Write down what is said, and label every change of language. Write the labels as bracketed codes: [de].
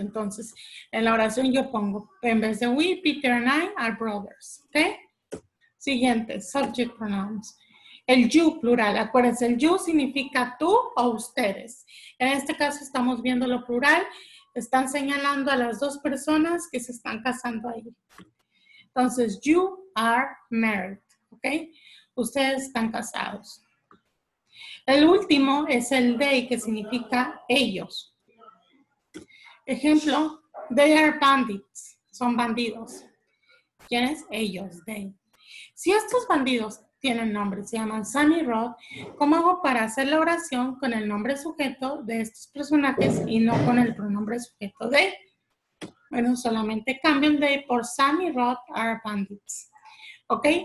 [es] Entonces, en la oración yo pongo, en vez de we, [en] Peter and I are brothers. [es] ¿Ok? Siguiente, [en] subject pronouns. [es] El you, plural. Acuérdense, el you significa tú o ustedes. En este caso estamos viendo lo plural. Están señalando a las dos personas que se están casando ahí. Entonces, [en] you are married. [es] ¿Ok? Ustedes están casados. El último es el they, que significa ellos. Ejemplo, [en] they are bandits. [es] Son bandidos. ¿Quiénes? Ellos, they. Si estos bandidos tienen nombre, se llaman Sam y Rod, ¿cómo hago para hacer la oración con el nombre sujeto de estos personajes y no con el pronombre sujeto de? Bueno, solamente cambien de por Sam y Rod [en] are bandits. [es] ¿Ok?